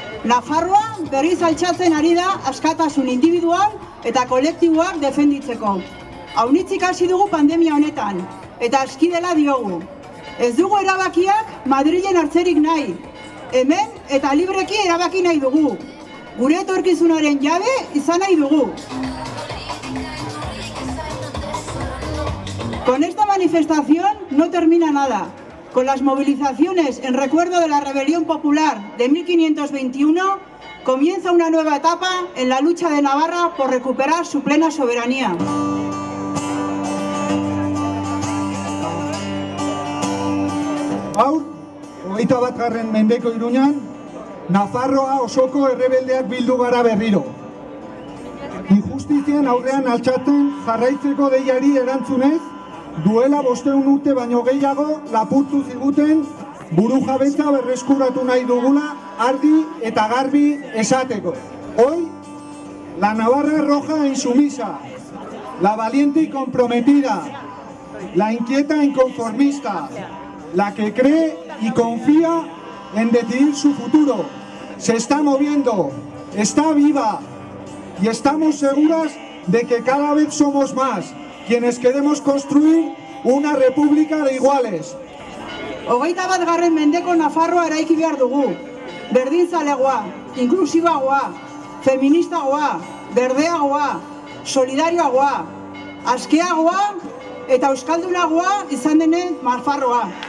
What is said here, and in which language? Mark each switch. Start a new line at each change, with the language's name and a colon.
Basque: Nafarroa berriz altxatzen ari da askatasun individual eta kolektiboak defenditzeko. Aunitzik hasi dugu pandemia honetan, eta aski dela diogu. Ez dugu erabakiak Madrilen hartzerik nahi, hemen eta libreki erabaki nahi dugu. Gure etorkizunaren jabe izan nahi dugu.
Spanish: Con esta manifestación no termina nada. Con las movilizaciones en recuerdo de la rebelión popular de 1521, comienza una nueva etapa en la lucha de Navarra por recuperar su plena soberanía.
Basque: Gaur, 21. mendeko Iruñan, Nafarroa osoko errebeldeak bildu gara berriro. Injustizien aurrean altxatzen jarraitzeko deiari erantzunez, duela 500 urte baino gehiago lapurtu ziguten burujabetza berreskuratu nahi dugula argi eta garbi esateko.
Spanish: Hoy, la Navarra roja insumisa, la valiente y comprometida, la inquieta inconformista, la que cree y confía en decidir su futuro, se está moviendo, está viva y estamos seguras de que cada vez somos más quienes queremos construir una república de iguales.
Basque: 21. mendeko Nafarroa eraiki behar dugu. Berdintzalegoa, inklusiboagoa, feministagoa, berdeagoa, solidarioagoa, askeagoa eta euskaldunagoa izan denen Nafarroa.